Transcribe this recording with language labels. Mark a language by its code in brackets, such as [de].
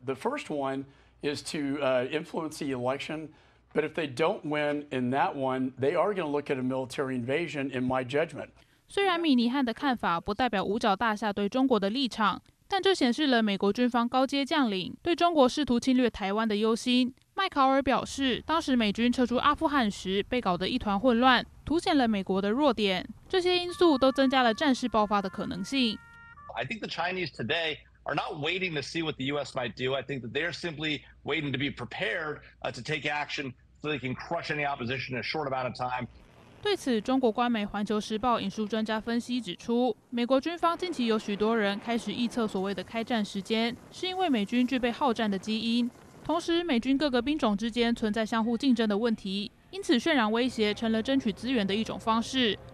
[en] The first one is to influence the election, but if they don't win in that one, they are going to look at a military invasion, in my judgment. [zh] 虽然米尼汉的看法不代表五角大厦对中国的立场，但这显示了美国军方高阶将领对中国试图侵略台湾的忧心。麦考尔表示，当时美军撤出阿富汗时被搞得一团混乱，凸显了美国的弱点，这些因素都增加了战事爆发的可能性。 [en] I think the Chinese today are not waiting to see what the US might do. I think that they're simply waiting to be prepared to take action so they can crush any opposition in a short amount of time. [zh] 对此，中国官媒《环球时报》引述专家分析指出，美国军方近期有许多人开始预测所谓的开战时间，是因为美军具备好战的基因。同时，美军各个兵种之间存在相互竞争的问题，因此渲染威胁成了争取资源的一种方式。